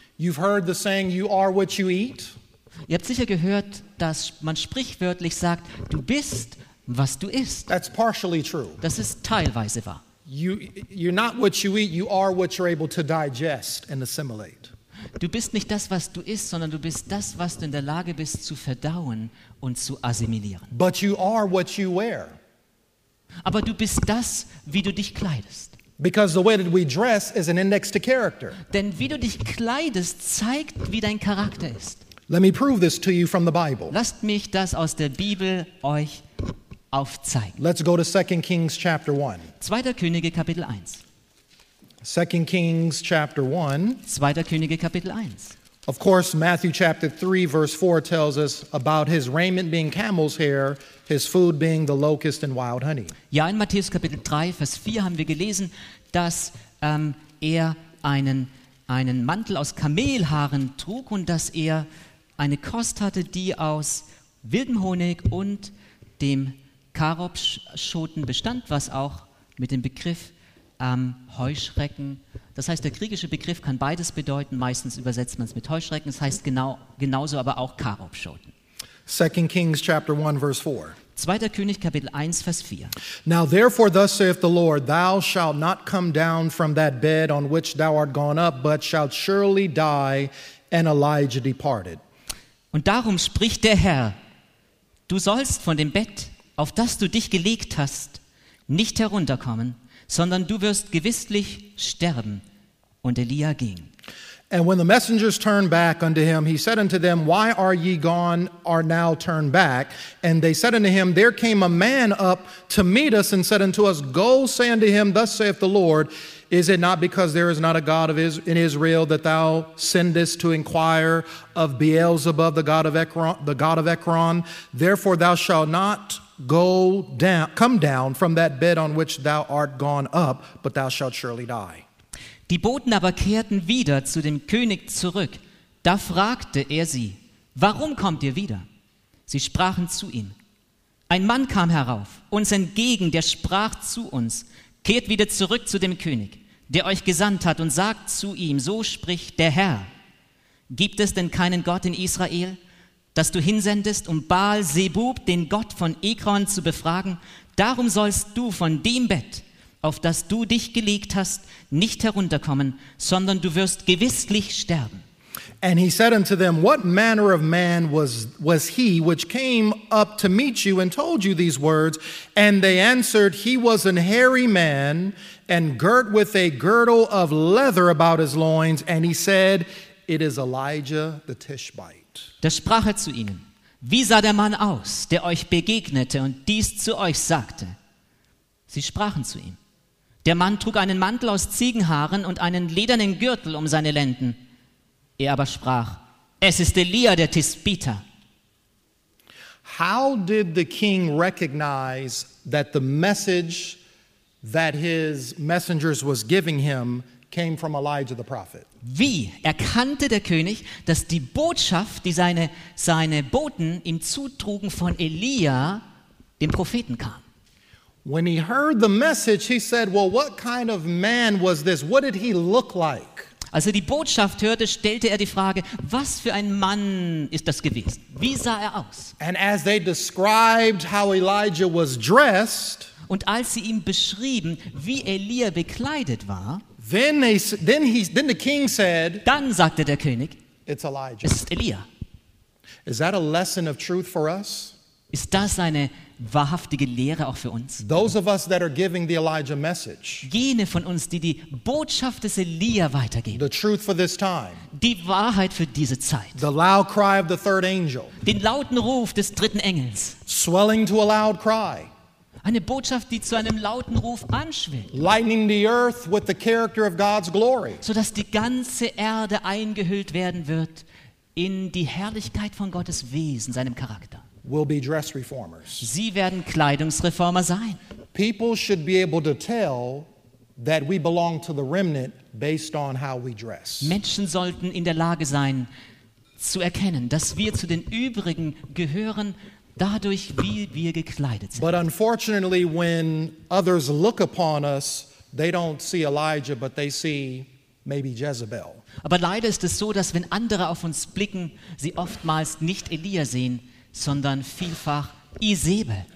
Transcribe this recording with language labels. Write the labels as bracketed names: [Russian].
[English] You've heard the saying, you are what you eat. [German] Ihr habt sicher gehört, dass man sprichwörtlich sagt, du bist, was du isst. [English] That's partially true. [German] Das ist teilweise wahr. [English] You're not what you eat, you are what you're able to digest and assimilate. [German] Du bist nicht das, was du isst, sondern du bist das, was du in der Lage bist zu verdauen und zu assimilieren. [English] But you are what you wear. [German] Aber du bist das, wie du dich kleidest. [English] Because the way that we dress is an index to character. [German] Denn wie du dich kleidest, zeigt, wie dein Charakter ist. [English] Let me prove this to you from the Bible. [German] Lasst mich das aus der Bibel euch aufzeigen. [English] Let's go to 2 Kings chapter 1. [German] 2. Könige Kapitel 1. [English] 2 Kings chapter 1. [German] 2. Könige Kapitel 1. [English] Of course, Matthew chapter 3 verse 4 tells us about his raiment being camel's hair, his food being the locust and wild honey. [German] Ja, in Matthäus Kapitel 3 Vers 4 haben wir gelesen, dass er einen Mantel aus Kamelhaaren trug und dass er eine Kost hatte, die aus wildem Honig und dem Karobschoten bestand, was auch mit dem Begriff Heuschrecken, das heißt, der griechische Begriff kann beides bedeuten, meistens übersetzt man es mit Heuschrecken, das heißt genauso aber auch Karobschoten. [English] 2 Kings chapter 1 verse 4. [German] 2. König Kapitel 1 Vers 4. [English] Now therefore thus saith the Lord, thou shalt not come down from that bed on which thou art gone up, but shalt surely die, and Elijah departed. [German] Und darum spricht der Herr, du sollst von dem Bett, auf das du dich gelegt hast, nicht herunterkommen, sondern du wirst gewisslich sterben. Und Elia ging. [English] And when the messengers turned back unto him, he said unto them, why are ye gone, are now turned back? And they said unto him, there came a man up to meet us and said unto us, go say unto him, thus saith the Lord, is it not because there is not a God of in Israel that thou sendest to inquire of Beelzebub, the God of Ekron? Therefore thou shalt not come down from that bed on which thou art gone up, but thou shalt surely die. [German] Die Boten aber kehrten wieder zu dem König zurück. Da fragte er sie, warum kommt ihr wieder? Sie sprachen zu ihm, ein Mann kam herauf, uns entgegen, der sprach zu uns, kehrt wieder zurück zu dem König, der euch gesandt hat, und sagt zu ihm, so spricht der Herr, gibt es denn keinen Gott in Israel, dass du hinsendest, um Baal Zebub, den Gott von Ekron, zu befragen? Darum sollst du von dem Bett, auf das du dich gelegt hast, nicht herunterkommen, sondern du wirst gewisslich sterben. [English] And he said unto them, what manner of man was he which came up to meet you and told you these words? And they answered, he was an hairy man and girt with a girdle of leather about his loins. And he said, it is Elijah the Tishbite. [German] Da sprach er zu ihnen, wie sah der Mann aus, der euch begegnete und dies zu euch sagte? Sie sprachen zu ihm, der Mann trug einen Mantel aus Ziegenhaaren und einen ledernen Gürtel um seine Lenden. Er aber sprach, es ist Elia der Tisbiter. [English] How did the king recognize that the message that his messengers was giving him came from Elijah the prophet? [German] Wie erkannte der König, dass die Botschaft, die seine Boten ihm zutrugen, von Elia, dem Propheten, kam? [English] When he heard the message, he said, well, what kind of man was this? What did he look like? [German] Als er die Botschaft hörte, stellte er die Frage, was für ein Mann ist das gewesen? Wie sah er aus? [English] And as they described how Elijah was dressed, [German] und als sie ihm beschrieben, wie Elia bekleidet war, [English] then the king said, [German] dann sagte der König, [English] it's Elijah. [German] Es ist Elia. [English] Is that a lesson of truth for us? [German] Ist das eine wahrhaftige Lehre auch für uns? [English] Those of us that are giving the Elijah message, [German] jene von uns, die Botschaft des Elia weitergeben, [English] the truth for this time, [German] die Wahrheit für diese Zeit, [English] the loud cry of the third angel, [German] den lauten Ruf des dritten Engels, [English] swelling to a loud cry, [German] eine Botschaft, die zu einem lauten Ruf anschwillt, [English] lightening the earth with the character of God's glory, [German] so dass die ganze Erde eingehüllt werden wird in die Herrlichkeit von Gottes Wesen, seinem Charakter. [English] Will be dress reformers. [German] Sie werden Kleidungsreformer sein. [English] People should be able to tell that we belong to the remnant based on how we dress. [German] Menschen sollten in der Lage sein zu erkennen, dass wir zu den Übrigen gehören, dadurch, wie wir gekleidet sind. [English] But unfortunately, when others look upon us, they don't see Elijah, but they see maybe Jezebel. [German] Aber leider ist es so, dass wenn andere auf uns blicken, sie oftmals nicht Elia sehen, sondern vielfach Isebel.